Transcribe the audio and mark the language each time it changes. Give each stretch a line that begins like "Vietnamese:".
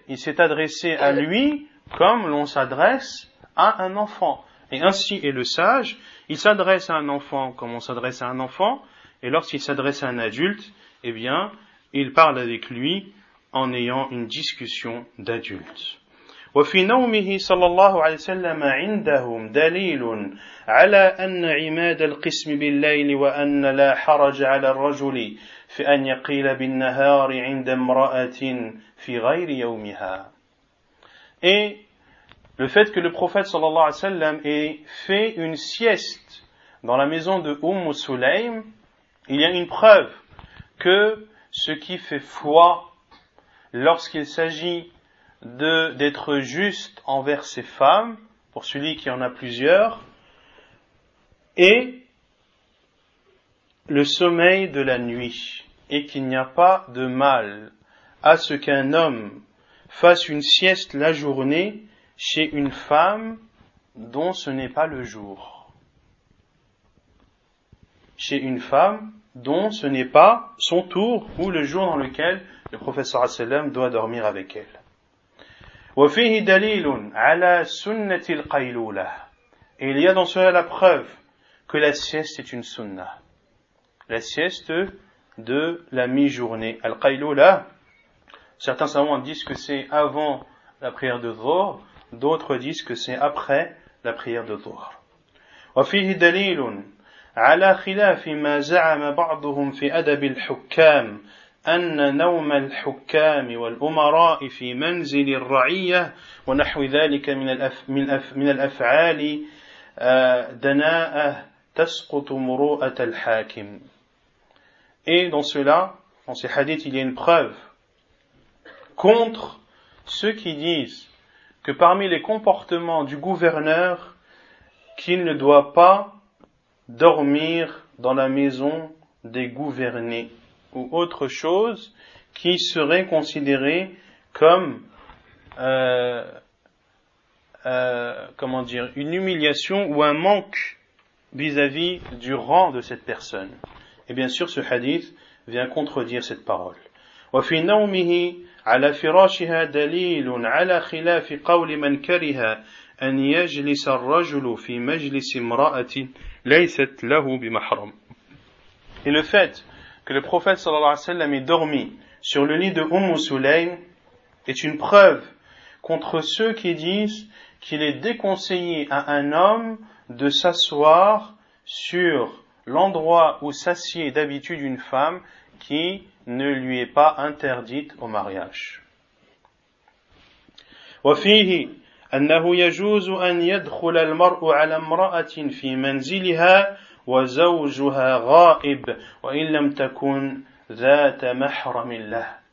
French: Il s'est adressé à lui comme l'on s'adresse à un enfant. Et ainsi est le sage. Il s'adresse à un enfant comme on s'adresse à un enfant. Et lorsqu'il s'adresse à un adulte, eh bien, il parle avec lui en ayant une discussion d'adulte.
Arabic: وفي نومه صلى الله عليه وسلم عندهم دليل على أن عماد القسم بالليل وأن لا حرج على الرجل في أن يقيل بالنهار عند امرأة في غير يومها.
French: Et le fait que le prophète صلى الله عليه وسلم ait fait une sieste dans la maison de Sulaym, il y a une preuve que ce qui fait foi lorsqu'il s'agit d'être juste envers ses femmes, pour celui qui en a plusieurs, et le sommeil de la nuit, et qu'il n'y a pas de mal à ce qu'un homme fasse une sieste la journée chez une femme dont ce n'est pas le jour. Chez une femme dont ce n'est pas son tour ou le jour dans lequel le prophète sallallahu alayhi wa sallam doit dormir avec elle.
Arabic: وفيه دليل على سنة القيلولة.
French: Il y a dans cela la preuve que la sieste est une sunna. La sieste de la mi-journée. Al-Qaylula, certains savants disent que c'est avant la prière de Dhuhr, d'autres disent que c'est après la prière de Dhuhr.
Arabic: وفيه دليل على خلاف ما زعم بعضهم في أدب الحكام أن نوم الحكام والأمراء في منزل الرعية ونحو ذلك من الأفعال دناءة تسقط مروءة الحاكم.
French: Et dans cela, dans ces hadiths, il y a une preuve contre ceux qui disent que parmi les comportements du gouverneur, qu'il ne doit pas dormir dans la maison des gouvernés ou autre chose qui serait considérée comme une humiliation ou un manque vis-à-vis du rang de cette personne. Et bien sûr, ce hadith vient contredire cette parole.
Arabic: وفي نومه على فراشها دليل على خلاف قول من كره أن يجلس الرجل في مجلس امرأة ليست له بمحرم.
French: Et le fait que le prophète sallallahu alayhi wa sallam ait dormi sur le lit de Umm Sulaym est une preuve contre ceux qui disent qu'il est déconseillé à un homme de s'asseoir sur l'endroit où s'assied d'habitude une femme qui ne lui est pas interdite au mariage.
Arabic: وفيه أنه يجوز أن يدخل المرء على امرأة في منزلها وزوجها غائب وإن لم تكن ذات محرم له.